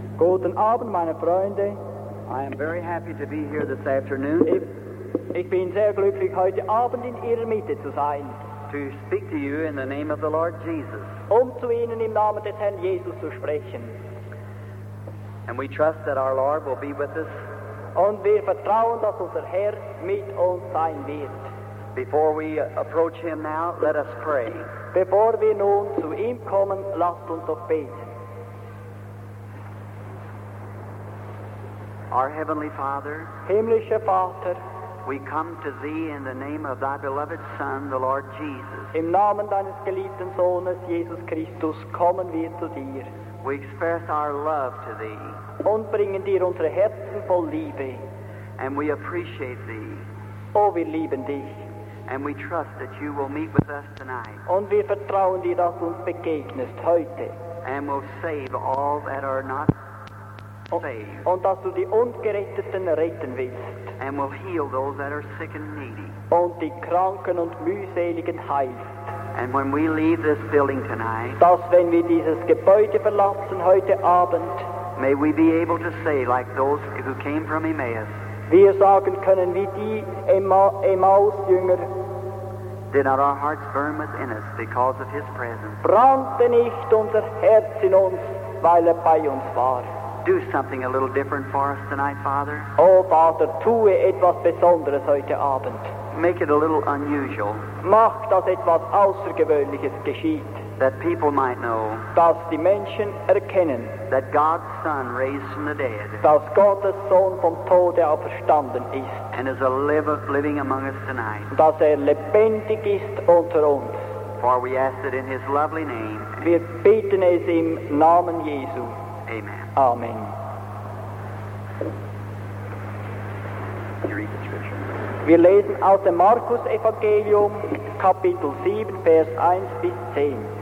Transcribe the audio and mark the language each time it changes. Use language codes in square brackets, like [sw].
[de] Guten Abend, meine Freunde. [en] I am very happy to be here this afternoon. [de] Ich bin sehr glücklich, heute Abend in Ihrer Mitte zu sein. [en] To speak to you in the name of the Lord Jesus. [de] Um zu Ihnen im Namen des Herrn Jesus zu sprechen. [en] And we trust that our Lord will be with us. [de] Und wir vertrauen, dass unser Herr mit uns sein wird. [en] Before we approach him now, let us pray. [de] Bevor wir nun zu ihm kommen, lasst uns doch beten. [en] Our Heavenly Father, [de] Himmlischer Vater, [en] we come to thee in the name of thy beloved Son, the Lord Jesus. [de] Im Namen deines geliebten Sohnes, Jesus Christus, kommen wir zu dir. [en] We express our love to thee. [de] Und bringen dir unsere Herzen voll Liebe. [en] And we appreciate thee. [de] Oh, wir lieben dich. [en] And we trust that you will meet with us tonight. [de] Und wir vertrauen dir, dass du uns begegnest heute. [en] And will save all that are not saved. [de] Und dass du die Ungeretteten retten willst. [en] And will heal those that are sick and needy. [de] Und die Kranken und Mühseligen heilst. [en] And when we leave this building tonight, [de] dass wenn wir dieses Gebäude verlassen heute Abend, [en] may we be able to say like those who came from Emmaus. [de] Wir sagen können wie die Emmaus-Jünger. [en] Did not our hearts burn within us because of his presence? [de] Brannte nicht unser Herz in uns, weil bei uns war? [en] Do something a little different for us tonight, Father. [de] Oh, Vater, tue etwas Besonderes heute Abend. [en] Make it a little unusual. [de] Mach, dass etwas Außergewöhnliches geschieht. [en] That people might know, [de] dass die Menschen erkennen, [en] that God's Son raised from the dead, [de] dass Gottes Sohn vom Tode auferstanden ist, [en] and is living among us tonight, [de] dass lebendig ist unter uns. [en] For we ask it in his lovely name. [de] Wir beten es im Namen Jesu. [en] Amen. [de] Amen. Wir lesen aus dem Markus-Evangelium, Kapitel 7, Vers 1 bis 10.